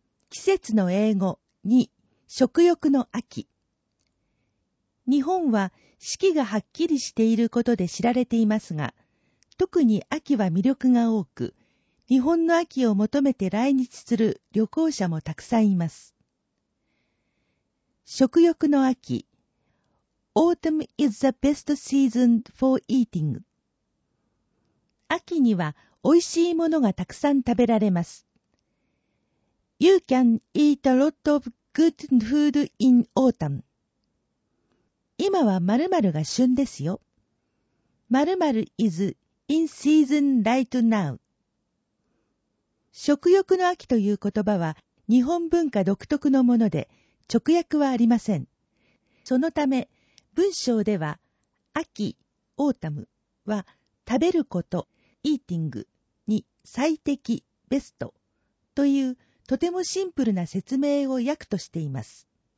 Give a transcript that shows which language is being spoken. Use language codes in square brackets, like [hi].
[ja] 季節の英語に食欲の秋。日本は四季がはっきりしていることで知られていますが、特に秋は魅力が多く、日本の秋を求めて来日する旅行者もたくさんいます。食欲の秋。 [en] Autumn is the best season for eating. [ja] 秋には美味しいものがたくさん食べられます。 [en] You can eat a lot of good food in autumn. [ja] 今は〇〇が旬ですよ。 [en] 〇〇 is in season right now. [ja] 食欲の秋という言葉は日本文化独特のもので直訳はありません。そのため文章では秋、autumn は食べること、eating に最適、ベストというとてもシンプルな説明を訳としています。